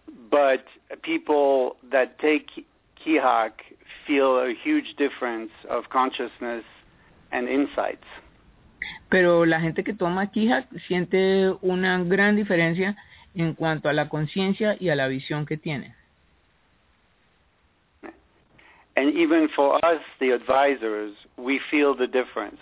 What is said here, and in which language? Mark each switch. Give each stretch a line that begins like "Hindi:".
English: But people that take KeyHack feel a huge difference of consciousness and insights.
Spanish: Pero la gente que toma KeyHack siente una gran diferencia en cuanto a la conciencia y a la visión que tiene.
English: And even for us, the advisors, we feel the difference.